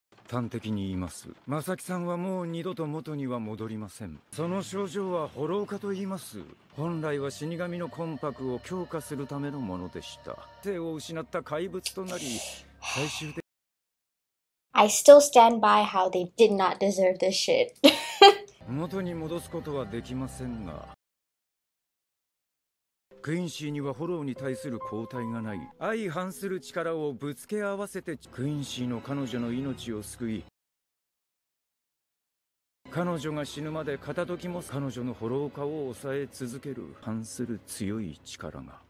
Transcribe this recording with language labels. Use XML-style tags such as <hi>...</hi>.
<ja>端的に言います。マサキさんはもう二度と元には戻りません。その症状は捕虜化と言います。本来は死神のコンパクを強化するためのものでした。手を失った怪物となり、最終的に。</ja> <en>I still stand by how they did not deserve this shit.</en> <ja>元に戻すことはできませんが。クインシーにはホローに対する抗体がない。相反する力をぶつけ合わせてクインシーの彼女の命を救い。彼女が死ぬまで片時も彼女のホロー化を抑え続ける反する強い力が</ja>